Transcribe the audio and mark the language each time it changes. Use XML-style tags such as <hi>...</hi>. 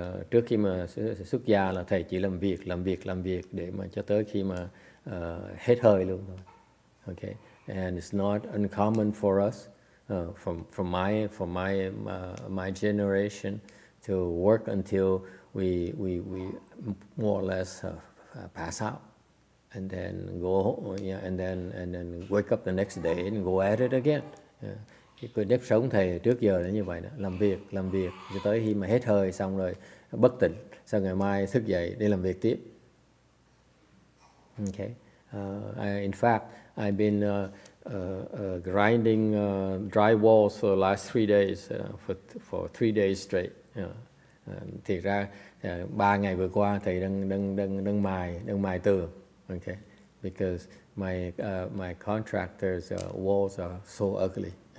<vi>Trước khi mà xuất gia là thầy chỉ làm việc để mà cho tới khi mà hết hơi luôn thôi.</vi> <en>Okay, and it's not uncommon for us from my generation to work until we more or less pass out and then go and then wake up the next day and go at it again.</en> <vi>Cái nếp sống thầy trước giờ là như vậy đó, làm việc cho tới khi mà hết hơi xong rồi bất tỉnh, sau ngày mai thức dậy đi làm việc tiếp.</vi> <en>Okay, I've been grinding drywalls for the last 3 days for 3 days straight.</en> <vi>Thiệt ra ba ngày vừa qua thầy đang mài tường.</vi> <en>Okay, because my contractor's walls are so ugly.</en>